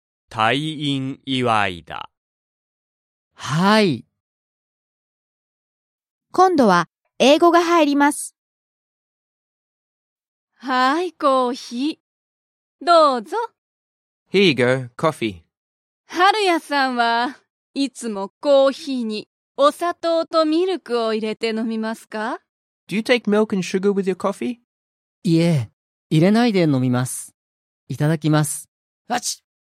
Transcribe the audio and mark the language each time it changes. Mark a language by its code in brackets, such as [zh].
[ja] 退院祝いだ。はい。今度は英語が入ります。はい、コーヒー。どうぞ。 [en] Here you go, coffee. [ja] 春屋さんはいつもコーヒーにお砂糖とミルクを入れて飲みますか? [en] Do you take milk and sugar with your coffee? [ja] いえ、入れないで飲みます。いただきます。あち!